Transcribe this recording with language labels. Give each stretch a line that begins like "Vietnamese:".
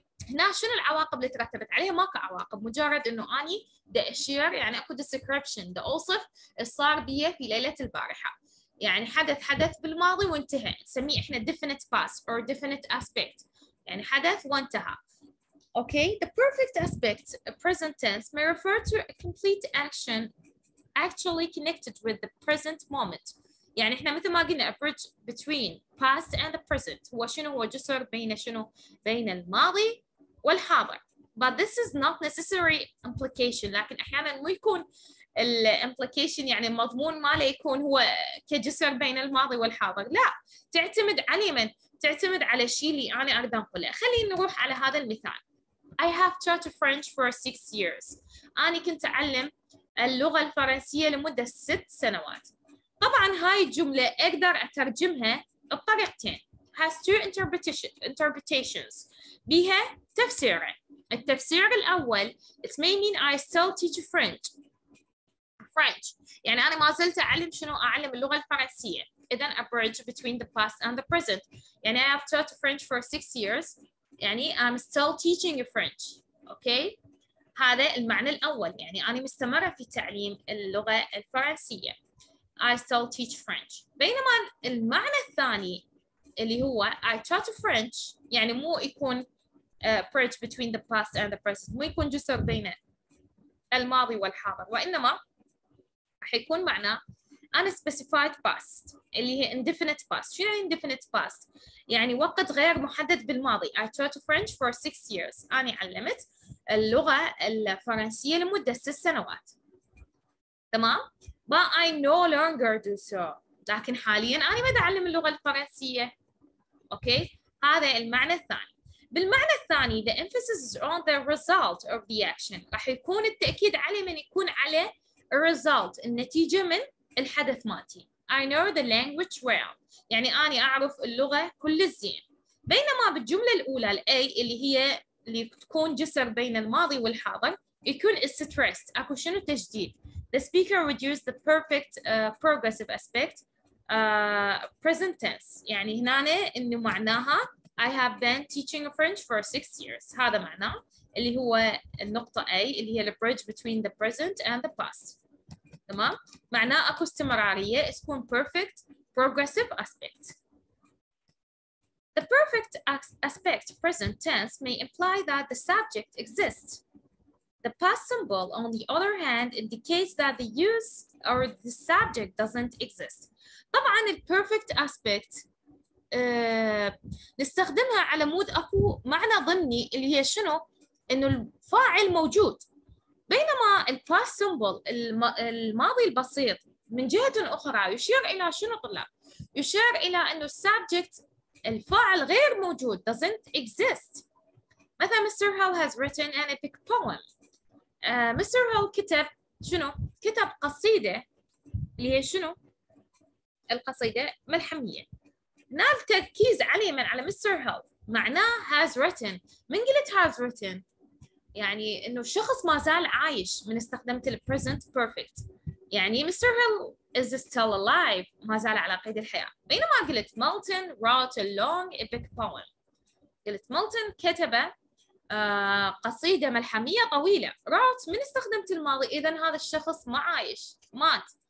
Arabic: هنا شنو العواقب اللي ترتبت عليها ماكو عواقب مجرد إنه أني دي أشير يعني أكو description دي أوصف صار بي في ليلة البارحة يعني حدث بالماضي وانتهى نسميه إحنا
English: definite past or definite aspect
Arabic: يعني حدث وانتهى
English: Okay, the perfect aspect, present tense, may refer to a complete action actually connected with the present moment.
Arabic: يعني احنا مثل ما قلنا
English: a bridge between past and the present.
Arabic: هو شنو هو جسر بين شنو بين الماضي والحاضر.
English: But this is not necessary implication.
Arabic: لكن احيانا مو يكون الimplication يعني المضمون ماله يكون هو كجسر بين الماضي والحاضر. لا تعتمد علي من تعتمد على الشيء اللي انا اريد انقله. خلينا نروح على هذا المثال.
English: I have taught French for 6 years.
Arabic: أنا كنت أعلم اللغة الفرنسية لمدة 6 سنوات. طبعاً هاي الجملة أقدر أترجمها بطريقتين.
English: Has two interpretations.
Arabic: بها تفسيرين. التفسير الأول
English: it may mean I still teach French. French.
Arabic: يعني أنا ما زلت أعلم شنو أعلم اللغة الفرنسية.
English: إذا a bridge between the past and the present. يعني I have taught French for 6 years. يعني I'm still teaching French, okay?
Arabic: هذا المعنى الأول يعني أنا مستمرة في تعليم اللغة الفرنسية.
English: I still teach French.
Arabic: بينما المعنى الثاني اللي هو
English: I taught French
Arabic: يعني مو يكون
English: bridge between the past and the present
Arabic: مو يكون جسر بين الماضي والحاضر وإنما حيكون معنى
English: unspecified past
Arabic: اللي هي indefinite past. شنو indefinite past؟ يعني وقت غير محدد بالماضي.
English: I taught French for 6 years.
Arabic: أنا علمت اللغة الفرنسية لمدة 6 سنوات. تمام؟
English: But I no longer do so.
Arabic: لكن حالياً أنا ما أتعلم اللغة الفرنسية. Okay؟ هذا المعنى الثاني. بالمعنى الثاني,
English: the emphasis is on the result of the action.
Arabic: رح يكون التأكيد على من يكون على a result, النتيجة من الحدث مالتي.
English: I know the language well.
Arabic: يعني أنا أعرف اللغة كل الزين. بينما بالجملة الأولى الـ A اللي هي اللي تكون جسر بين الماضي والحاضر يكون stressed. أكو شنو تجديد؟
English: The speaker would use the perfect progressive aspect present tense.
Arabic: يعني هنا إنه معناها
English: I have been teaching French for 6 years.
Arabic: هذا معناه اللي هو النقطة A اللي هي
English: the bridge between the present and the past.
Arabic: تمام؟ معناه أكو استمرارية تكون perfect progressive aspect.
English: The perfect aspect present tense may imply that the subject exists. The past symbol, on the other hand, indicates that the use or the subject doesn't exist.
Arabic: طبعا ال perfect aspect نستخدمها على مود اكو معنى ضمني اللي هي شنو؟ انه الفاعل موجود. بينما ال past symbol الماضي البسيط من جهة اخرى يشير الى شنو طلاب؟ يشير الى انه السبجكت الفاعل غير موجود,
English: doesn't exist. مثلا Mr. Howe has written an epic poem. Mr.
Arabic: Howe كتب شنو؟ كتب قصيدة اللي هي شنو؟ القصيدة ملحمية. هنا التركيز علي من على Mr.
English: Howe
Arabic: معناه
English: has written.
Arabic: من قلت
English: has written؟
Arabic: يعني إنه الشخص ما زال عايش من استخدمت الـ present perfect. يعني Mr.
English: Howe is still alive,
Arabic: ما زال على قيد الحياة. بينما قلت
English: Milton wrote a long epic poem.
Arabic: قلت Milton كتب قصيدة ملحمية طويلة. Wrote من استخدمت الماضي, إذا هذا الشخص ما عايش, مات.